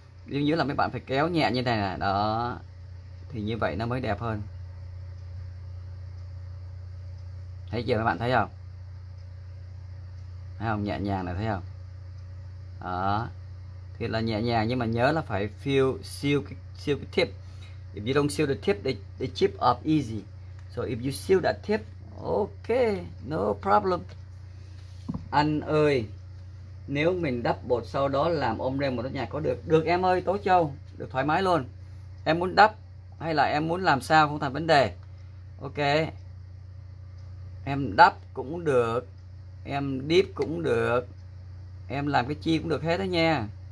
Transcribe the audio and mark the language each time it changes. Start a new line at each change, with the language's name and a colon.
Vietnamese: Đi xuống dưới là mấy bạn phải kéo nhẹ như này nè, đó. Thì như vậy nó mới đẹp hơn. Thấy chưa mấy bạn, thấy không? Thấy không? Nhẹ nhàng này, thấy không? Đó. Thì là nhẹ nhàng, nhưng mà nhớ là phải seal cái tip.
English: If you don't seal the tip, they chip off easy. So if you seal that tip, ok, no problem.
Vietnamese: Anh ơi, nếu mình đắp bột sau đó làm ombre một nhà có được? Được em ơi, Tố Châu. Được, thoải mái luôn. Em muốn đắp hay là em muốn làm sao không thành vấn đề. Ok. Em đắp cũng được, em dip cũng được, em làm cái chi cũng được hết đó nha.